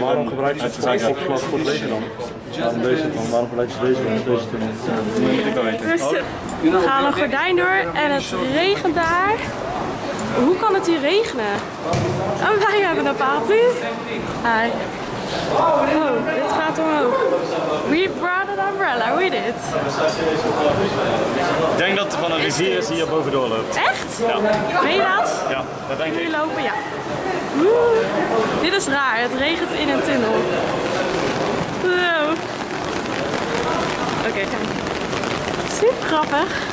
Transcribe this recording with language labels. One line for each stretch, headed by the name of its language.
Dutch: Waarom gebruik je het als opslag voor het leger dan? Waarom gebruik je deze dan? Deze tunnel. Dat moet ik wel weten. We gaan een gordijn door en het regent daar. Hoe kan het hier regenen? En wij hebben een paraplu. Hi. Oh, dit gaat omhoog.
English: We brought an umbrella, we did.
Dutch: Ik denk dat het van een rivier is die hier boven doorloopt. Echt? Ja. Ben je dat? Ja, dat denk ik. Nu lopen, ja. Dit is raar, het regent in een tunnel. Wow. Oké, kijk. Super grappig.